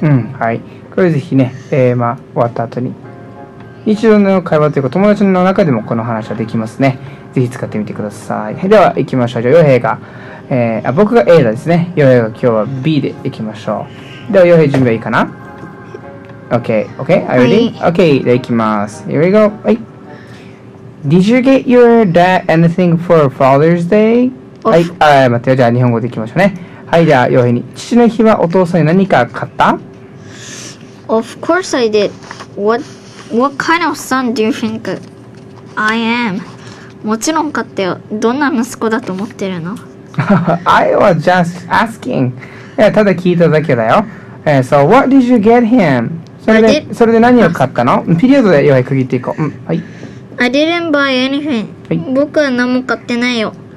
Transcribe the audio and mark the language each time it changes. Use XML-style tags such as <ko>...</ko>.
<ja>うん、はい。これぜひね、終わった後に日常の会話というか友達の中でもこの話はできますね。ぜひ使ってみてください。では行きましょう。じゃあ陽平が、僕が A だですね。陽平が今日は B で行きましょう。では陽平準備はいいかな。</ja> <en>OK OK Are you ready? OK</en> <ja>では行きます。</ja> <en>Here we go、はい、Did you get your dad anything for Father's Day?</en> <ja>はい、あ、待ってよ。じゃあ日本語で行きましょうね。はい、じゃあ陽平に、父の日はお父さんに何か買った？</ja> <en>Of course I did. What kind of son do you think I am?</en> <ja>もちろん買ったよ。どんな息子だと思ってるの？</ja> <en>I was just asking.</en> <ja>いや、ただ聞いただけだよ。</ja> <en>So what did you get him?</en> <ja>それで何を買ったの？ピリオドで陽平区切っていこう。うん、はい。</ja> <en>I didn't buy anything.</en> <ja>僕は何も買ってないよ。</ja>